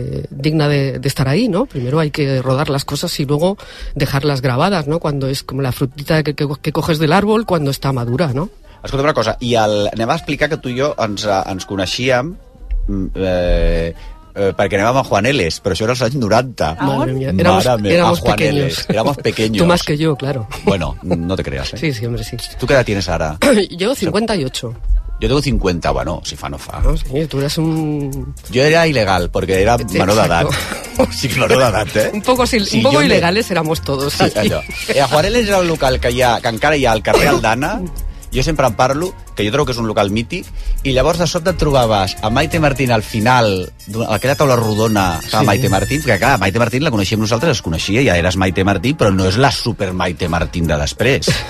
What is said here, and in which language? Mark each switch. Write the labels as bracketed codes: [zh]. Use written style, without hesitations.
[es] digna de estar ahí, ¿no? Primero hay que rodar las cosas y luego dejarlas grabadas, ¿no? Cuando es como la frutita que coges del árbol cuando está madura, ¿no? [ca] Escolta una cosa, i anem a explicar que tu i jo ens coneixíem perquè anem amb Juan Eles, però això era els anys 90. [es] Éramos pequeños. Tú más que yo, claro. Bueno, no te creas, ¿eh? Sí, hombre, sí. ¿Tú qué edad tienes ahora? Yo 58. Yo tengo 50, bueno, [ca] si fa no fa. [es] Sí, tú eras un... Yo era ilegal, porque era menor de edad. Sí, menor de edad, ¿eh? Un poco ilegales éramos todos. [ca] Sí, allò. A Juarell era un local que encara hi ha al carrer Aldana. Jo sempre en parlo, que jo trobo que és un local mític, i llavors de sobte et trobaves a Maite Martín al final d'aquella taula rodona que sí. Maite Martín, que clar, Maite Martín la coneixíem nosaltres, es coneixia, ja eres Maite Martín, però no és la super Maite Martín de després.